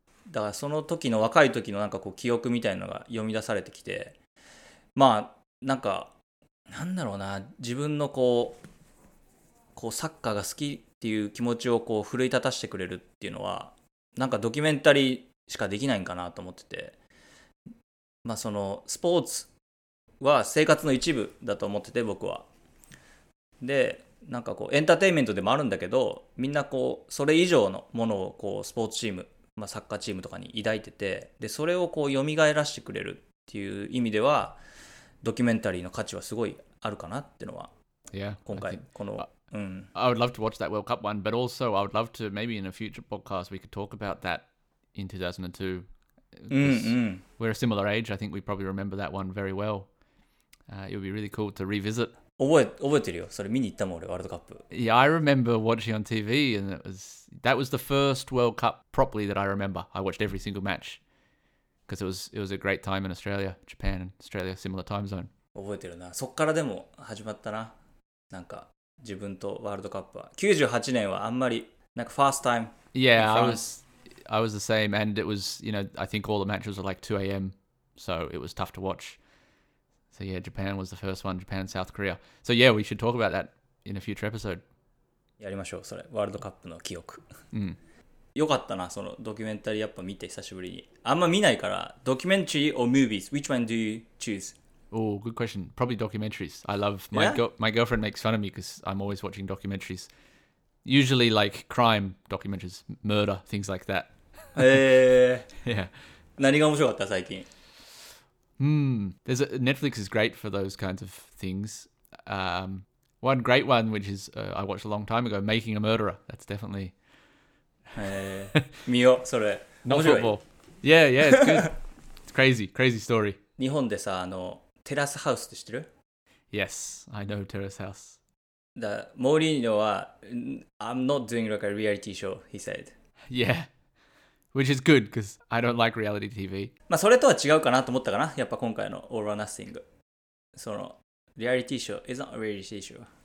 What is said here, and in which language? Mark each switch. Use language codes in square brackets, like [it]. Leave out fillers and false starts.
[ja] だからその時の若い時のなんかこう記憶みたいなのが読み出されてきて、まあなんかなんだろうな、自分のこうサッカーが好きっていう気持ちをこう奮い立たせてくれるっていうのは、なんかドキュメンタリーしかできないんかなと思ってて、まあそのスポーツは生活の一部だと思ってて僕は。で。なんかこうエンターテインメントでもあるんだけど、みんなこうそれ以上のものをこうスポーツチーム、まあ、サッカーチームとかに抱いてて、でそれをこう蘇らせてくれるっていう意味では、ドキュメンタリーの価値はすごいあるかなっていうのは、 [en] yeah, [ja] 今回 この、 [en] I would love to watch that World Cup one, but also I would love to maybe in a future podcast we could talk about that in 2002. We're a similar age, I think we probably remember that one very well. It would be really cool to revisit. [ja] 覚えてるよ。それ見に行ったもん俺、ワールドカップ。 [en] Yeah, I remember watching on TV, and that was the first World Cup properly that I remember. I watched every single match because it was a great time in Australia, Japan, and Australia, similar time zone. [ja] 覚えてるな。そっからでも始まったな。なんか自分とワールドカップは98年はあんまりなんか [en] first time. Yeah, I was the same, and it was, you know, I think all the matches were like 2 a.m. so it was tough to watch. So yeah, Japan was the first one, Japan, South Korea. So yeah, we should talk about that in a future episode. [ja] やりましょう、それ。ワールドカップの記憶。うん。よかったな、そのドキュメンタリーやっぱ見て久しぶりに。あんま見ないから、ドキュメンタリー [en] or movies? Which one do you choose? Oh, good question. Probably documentaries. I love, my girlfriend makes fun of me because I'm always watching documentaries. Usually like crime documentaries, murder, things like that. [ja] Yeah. 何が面白かった最近? [en] There's Netflix is great for those kinds of things. One great one, which is I watched a long time ago, Making a Murderer. That's definitely... [ja] 見よ、それ。 [en] Not football. Yeah, yeah, it's good. It's crazy, crazy story. [ja] 日本でさ、あの、テラスハウスって知ってる? [en] Yes, I know Terrace House. The Mourinho は、I'm not doing like a reality show, he said. Yeah, which is good, because I don't like reality TV. [ja] まあ、それとは違うかなと思ったかな、やっぱ今回の All or Nothing。 [en] その、reality show is not a reality show.